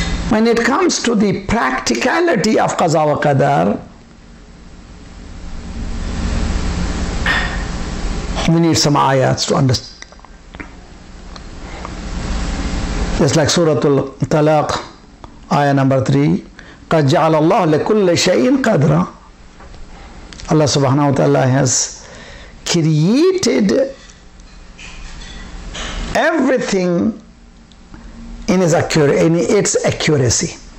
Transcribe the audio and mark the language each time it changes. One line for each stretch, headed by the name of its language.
English: When it comes to the practicality of qaza wa qadar, we need some ayats to understand. Just like Surah Al-Talaq, ayah number 3,
Arabic: قَدْ جَعَلَ اللَّهُ لَكُلَّ شَيْءٍ قَدْرًا.
English: Allah subhanahu wa ta'ala has created everything in its accuracy, in its accuracy.